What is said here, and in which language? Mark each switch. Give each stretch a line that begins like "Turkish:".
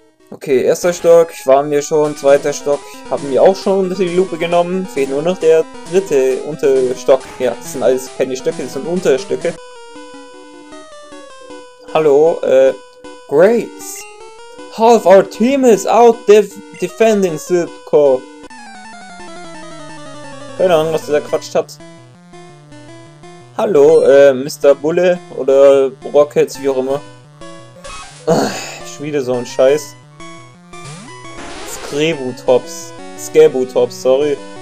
German: Okay, erster Stock, waren wir schon, zweiter Stock, haben wir auch schon unter die Lupe genommen, fehlt nur noch der dritte Unterstock. Ja, das sind alles keine Stöcke, das sind Unterstöcke. Hallo, Grace.
English: Half our team is out defending Silpko.
German: Keine Ahnung, was du da quatscht hast. Hallo, Mr. Bulle oder Rockets, wie auch immer. Ich wieder so ein Scheiß. Skrebutops. Skabutops, sorry.